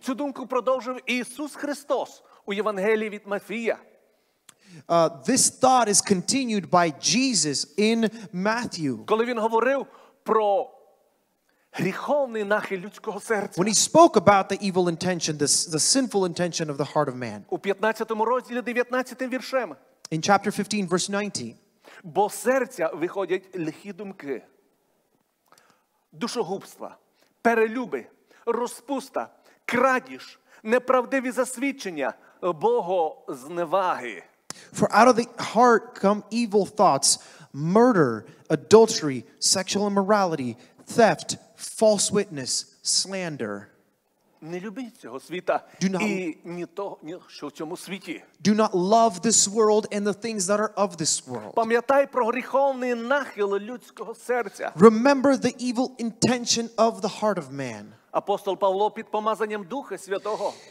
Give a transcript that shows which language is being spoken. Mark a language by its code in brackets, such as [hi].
[uk] Цю думку продовжив Ісус Христос у Євангелії від Матфія. [en] This thought is continued by Jesus in Matthew. [uk] Коли він говорив про гріховний нахил людського серця. [en] When he spoke about the evil intention, the sinful intention of the heart of man. [uk] У 15-му розділі 19-м віршем. [en] In chapter 15, verse 19. [uk] Бо з серця виходять лихі думки, душогубства, перелюби, розпуста, крадіж, неправдиві засвідчення, богозневаги. [en] For out of the heart come evil thoughts, murder, adultery, sexual immorality, theft, false witness, slander. [uk] не люби цього світа і ні того, ні що в цьому світі. [en] Do not love this world and the things that are of this world. [uk] Пам'ятай про гріховний нахил людського серця. [en] Remember the evil intention of the heart of man. [uk] Апостол Павло під помазанням Духа Святого.